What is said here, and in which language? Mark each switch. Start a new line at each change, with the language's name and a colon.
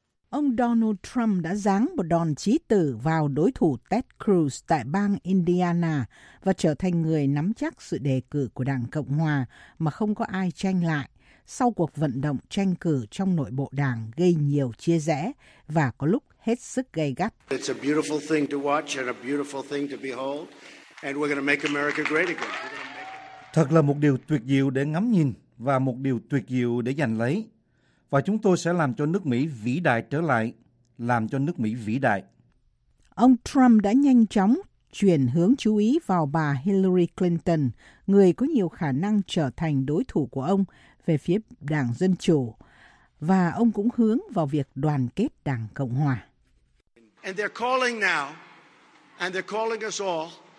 Vietnamese: Ông Donald Trump đã giáng một đòn chí tử vào đối thủ Ted Cruz tại bang Indiana và trở thành người nắm chắc sự đề cử của Đảng Cộng Hòa mà không có ai tranh lại sau cuộc vận động tranh cử trong nội bộ đảng gây nhiều chia rẽ và có lúc hết sức gay gắt.
English: It's a beautiful thing to watch and a beautiful thing to behold, and we're going to make America great again.
Vietnamese: Thật là một điều tuyệt diệu để ngắm nhìn và một điều tuyệt diệu để giành lấy. Và chúng tôi sẽ làm cho nước Mỹ vĩ đại trở lại, làm cho nước Mỹ vĩ đại. Ông Trump đã nhanh chóng chuyển hướng chú ý vào bà Hillary Clinton, người có nhiều khả năng trở thành đối thủ của ông về phía Đảng Dân Chủ. Và ông cũng hướng vào việc đoàn kết Đảng Cộng Hòa.
English: And they're calling now, and they're calling us all.